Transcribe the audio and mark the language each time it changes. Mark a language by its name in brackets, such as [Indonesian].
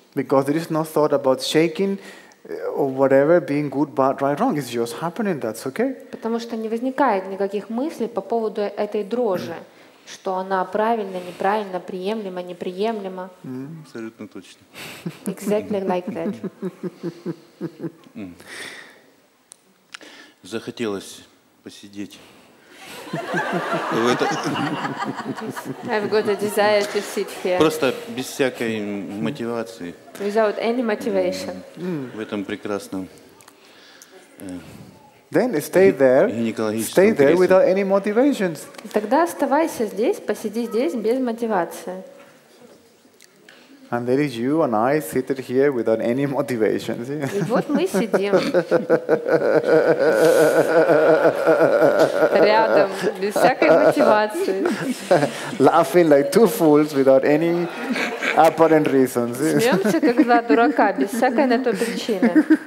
[English] Because there is no thought about shaking or whatever, being good, bad, right, wrong. It's just happening. That's okay. [Russian] Потому что не возникает никаких мыслей по поводу этой дрожи. Что она правильно, неправильно, приемлема, неприемлема. Абсолютно точно. [English] Exactly like that. [Russian] Захотелось посидеть. [English] I've got a desire to sit here. [Russian] Просто без всякой мотивации. [English] Without any motivation. [Russian] В этом прекрасном... [English] Then stay there. Stay there without any motivations. [Russian] Тогда оставайся здесь, посиди здесь без мотивации. [English] And there is you and I seated here without any motivations. [Russian] И вот мы сидим рядом без всякой мотивации. [English] Laughing like two fools without any apparent reasons. [Russian] Смеемся как два дурака без всякой на то причины.